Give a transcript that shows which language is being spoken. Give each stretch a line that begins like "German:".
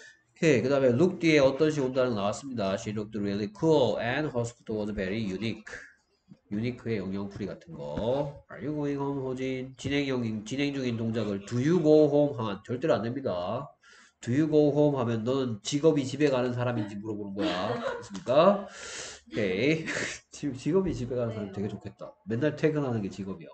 Korean: 오케이. 그 다음에 look 뒤에 어떤 식으로 온다는 거 나왔습니다.
English: She looked really cool and her scooter was very unique.
Korean: 유니크의 영영풀이 같은 거.
English: Are you going home,
Korean: 호진? 진행 중인 동작을
English: do you go home
Korean: 하면 절대로 안 됩니다.
English: Do you go home
Korean: 하면 너는 직업이 집에 가는 사람인지 물어보는 거야. 그렇습니까? 오케이. 지금 직업이 집에 가는 사람 되게 좋겠다. 맨날 퇴근하는 게 직업이야.